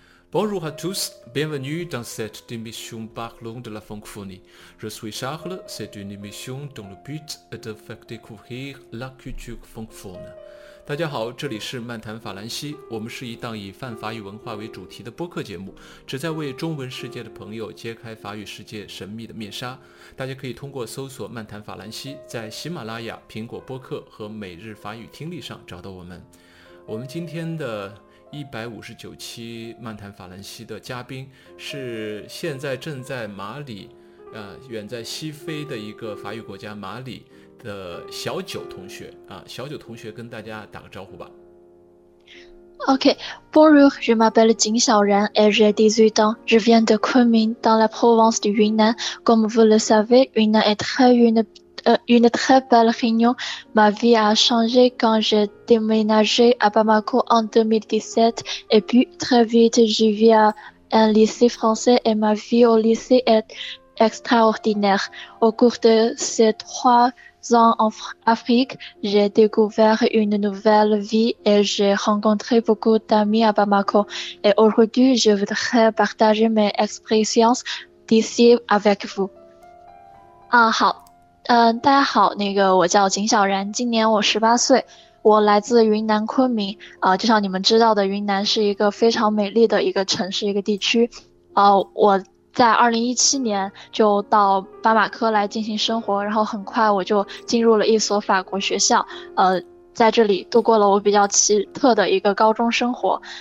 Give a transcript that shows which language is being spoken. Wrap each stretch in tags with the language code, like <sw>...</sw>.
<fr>Bonjour à tous, bienvenue dans cette émission Parlons de la francophonie. Je suis Charles, c'est une émission dont le but est de faire découvrir la culture francophone.</fr> <zh>大家好，这里是漫谈法兰西，我们是一档以泛法语文化为主题的播客节目，旨在为中文世界的朋友揭开法语世界神秘的面纱。大家可以通过搜索漫谈法兰西，在喜马拉雅、苹果播客和每日法语听力上找到我们。我们今天的159期漫谈法兰西的嘉宾是现在正在马里，远在西非的一个法语国家马里的小九同学啊。小九同学跟大家打个招呼吧。</zh> <fr>Okay, bonjour, je m'appelle 景小然 et j'ai 18 ans. Je viens de Kunming dans la province de Yunnan. Comme vous le savez, Yunnan est une très belle région. Ma vie a changé quand j'ai déménagé à Bamako en 2017 et puis très vite, je vis à un lycée français et ma vie au lycée est extraordinaire. Au cours de ces 3 ans en Afrique, j'ai découvert une nouvelle vie et j'ai rencontré beaucoup d'amis à Bamako. Et aujourd'hui, je voudrais partager mes expériences d'ici avec vous.</fr> <zh>Ah, 好，大家好，那个我叫景小然，今年我18岁，我来自云南昆明。就像你们知道的，云南是一个非常美丽的一个城市，一个地区。我在2017年就到巴马科来进行生活，然后很快我就进入了一所法国学校，在这里度过了我比较奇特的一个高中生活。</zh>